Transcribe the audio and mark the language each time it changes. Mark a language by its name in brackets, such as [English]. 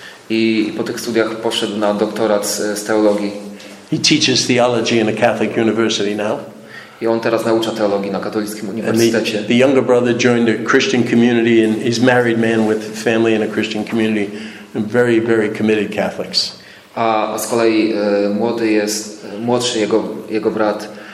[Polish] I po tych studiach poszedł na doktorat z teologii. [English] He teaches theology in a Catholic university now. [Polish] I on teraz naucza teologii na katolickim uniwersytecie. [English] The younger brother joined a Christian community and he's a married man with family in a Christian community, and very, very committed Catholics. [Polish] A z kolei młodszy jego brat.